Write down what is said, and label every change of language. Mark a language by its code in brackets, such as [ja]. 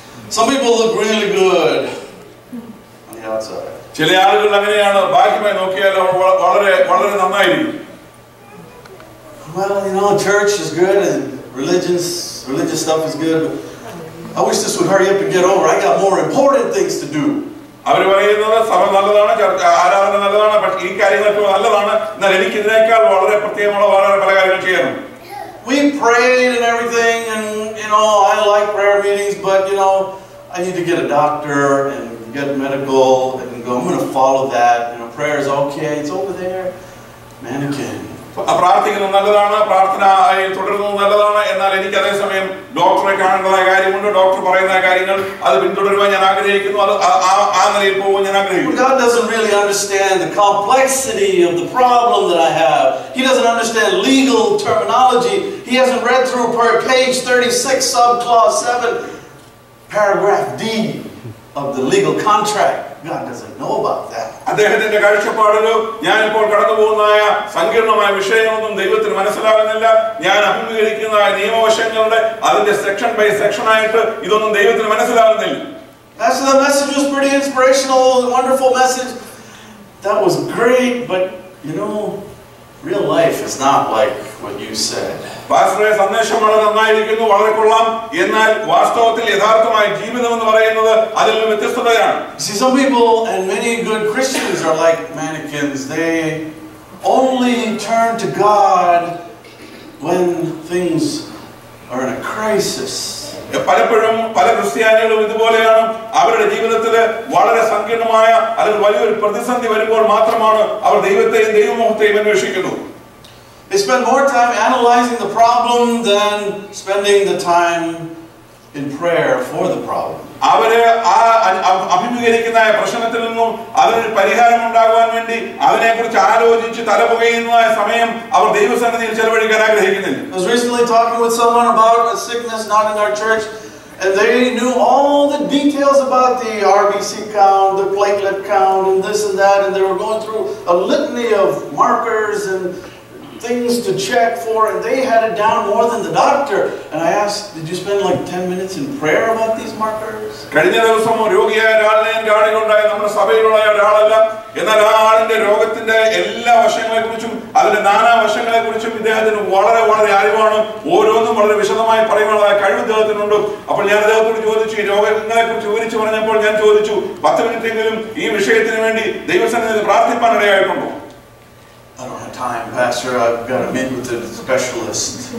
[en] Some people look really good on the outside. [ml] ചില ആളുകൾ അങ്ങനെയാണ്. ബാക്കിയായി നോക്കിയാൽ അവർ വളരെ വളരെ നന്നായിരിക്കും. [en] Well, you know, church is good and religious stuff is good. But I wish this would hurry up and get over. I got more important things to do. അവർ പറയുന്നത് സഭ നല്ലതാണ്, ആരാധന നല്ലതാണ്, പക്ഷേ ഈ കാര്യങ്ങളൊക്കെ നല്ലതാണ്, എന്നാൽ എനിക്ക് ഇതിനേക്കാൾ വളരെ പ്രത്യേകമുള്ള വളരെ പല കാര്യങ്ങൾ ചെയ്യണം. We prayed and everything, and you know, I like prayer meetings, but you know, I need to get a doctor and get medical and go, I'm going to follow that. You know, prayer is okay, it's over there. Mannequin. [ml] പ്രാർത്ഥിക്കുന്നത് നല്ലതാണ്, പ്രാർത്ഥന തുടരുന്നത് നല്ലതാണ്, എന്നാൽ എനിക്ക് അതേസമയം ഡോക്ടറെ കാണേണ്ടതായ കാര്യമുണ്ട്. ഡോക്ടർ പറയുന്ന കാര്യങ്ങൾ അത് പിന്തുടരുവാൻ ഞാൻ ആഗ്രഹിക്കുന്നു. അത് ആ നിലയിൽ പോകാൻ ഞാൻ ആഗ്രഹിക്കുന്നു. [en] God doesn't really understand the complexity of the problem that I have. He doesn't understand legal terminology. He hasn't read through page 36, subclause 7, paragraph D of the legal contract. God doesn't know about that. [ml] അദ്ദേഹത്തിന്റെ കാഴ്ചപ്പാടിലോ ഞാൻ ഇപ്പോൾ കടന്നുപോകുന്നതായ സങ്കീർണമായ വിഷയങ്ങളൊന്നും ദൈവത്തിന് മനസ്സിലാകുന്നില്ല. ഞാൻ അഭിമുഖീകരിക്കുന്ന നിയമവശങ്ങളുടെ അതിന്റെ section by section ആയിട്ട് ഇതൊന്നും ദൈവത്തിന് മനസ്സിലാകുന്നില്ല. [en] Pastor, the message was pretty inspirational, wonderful message. That was great, but you know, real life is not like what you said. [ml] പാസ്റ്ററെ, സന്ദേശം വളരെ നന്നായിരിക്കുന്നു, വളരെ കൊള്ളാം, എന്നാൽ വാസ്തവത്തിൽ യഥാർത്ഥമായ ജീവിതം എന്ന് പറയുന്നത് അതിൽ നിന്ന് വ്യത്യസ്തതയാണ്. [en] See, some people and many good Christians are like mannequins. They only turn to God when things are in a crisis. [ml] പലപ്പോഴും പല ക്രിസ്ത്യാനികളും ഇതുപോലെയാണ്. അവരുടെ ജീവിതത്തിൽ വളരെ സങ്കീർണമായ അല്ലെങ്കിൽ വലിയൊരു പ്രതിസന്ധി വരുമ്പോൾ മാത്രമാണ് അവർ ദൈവത്തെയും ദൈവമോഹത്തെയും അന്വേഷിക്കുന്നത്. [en] They spend more time analyzing the problem than spending the time in prayer for the problem. [ml] അവരെ അഭിമുഖീകരിക്കുന്ന പ്രശ്നത്തിൽ നിന്നും അതിനൊരു പരിഹാരം ഉണ്ടാകുവാൻ വേണ്ടി അതിനെ കുറിച്ച് ആലോചിച്ച് തലപുകയുന്നതായ സമയം അവർ ദൈവസന്നിധിയിൽ ചെലവഴിക്കാൻ ആഗ്രഹിക്കുന്നില്ല. [en] I was recently talking with someone about a sickness not in our church, and they knew all the details about the RBC count, the platelet count, and this and that, and they were going through a litany of markers and things to check for, and they had it down more than the doctor. And I asked, did you spend like 10 minutes in prayer about these markers? [ml] കഴിഞ്ഞ ദിവസം രോഗിയായ ഒരാളെ കാണുകയുണ്ടായി. നമ്മുടെ സഭയിലുള്ള ഒരാളെല്ലാം, എന്നാൽ ആ ആളിന്റെ രോഗത്തിന്റെ എല്ലാ വശങ്ങളെ കുറിച്ചും അതിന്റെ നാനാ വശങ്ങളെ കുറിച്ചും ഇദ്ദേഹത്തിന് വളരെ വളരെ അറിവാണ്. ഓരോന്നും വളരെ വിശദമായി പറയുന്നതായ കഴിവ് അദ്ദേഹത്തിനുണ്ട്. അപ്പോൾ ഞാൻ അദ്ദേഹത്തോട് ചോദിച്ചു, ഈ രോഗങ്ങളെ കുറിച്ച് വിവരിച്ച് പറഞ്ഞപ്പോൾ ഞാൻ ചോദിച്ചു, 10 മിനിറ്റെങ്കിലും ഈ വിഷയത്തിന് വേണ്ടി ദൈവസന്നിധിയിൽ പ്രാർത്ഥിക്കാൻ ഇടയായിട്ടുണ്ടോ? [en] I don't have time, Pastor. I've got to meet with the specialist.